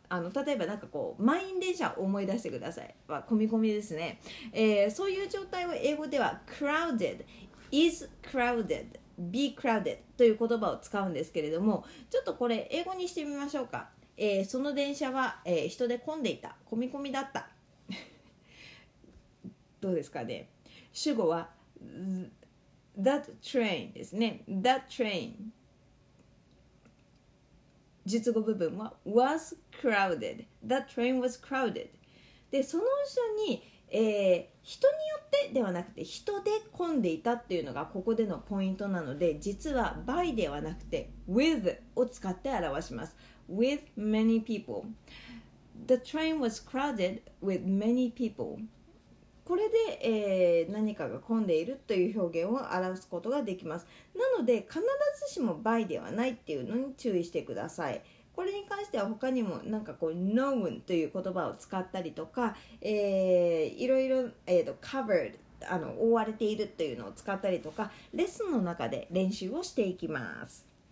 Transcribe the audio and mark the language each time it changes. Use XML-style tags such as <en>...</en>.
<ja>例えばなんかこう満員電車を思い出してください。は混み混みですね、そういう状態を英語では</ja> <en>crowded、is crowded、be crowded</en> <ja>という言葉を使うんですけれども、ちょっとこれ英語にしてみましょうか。その電車は、人で混んでいた、混み混みだったどうですかね。主語は</ja> <en>that train</en> <ja>ですね。</ja> <en>that train</en> <ja>述語部分は</ja> <en>was crowded、 that train was crowded。</en> <ja>でその後ろに人によってではなくて人で混んでいたっていうのがここでのポイントなので、実は by ではなくて with を使って表します。</ja> <en>with many people、 the train was crowded with many people。</en> <ja>これで、何かが混んでいるという表現を表すことができます。なので必ずしも by ではないっていうのに注意してください。これに関しては他にもなんかこう known という言葉を使ったりとか、いろいろ、covered、 覆われているというのを使ったりとか、レッスンの中で練習をしていきます。</ja>